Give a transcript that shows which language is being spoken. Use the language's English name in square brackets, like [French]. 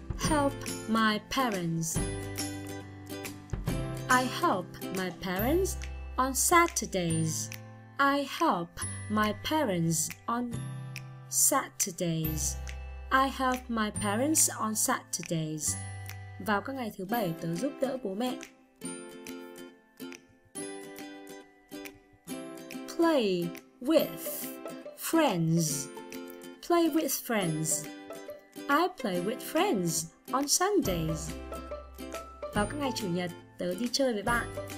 [English] Help my parents. I help my parents on Saturdays. I help my parents on Saturdays. I help my parents on Saturdays. [Vietnamese] Vào các ngày thứ bảy, tớ giúp đỡ bố mẹ. [English] Play with friends. Play with friends. I play with friends on Sundays. [Vietnamese] Vào các ngày chủ nhật, tớ đi chơi với bạn.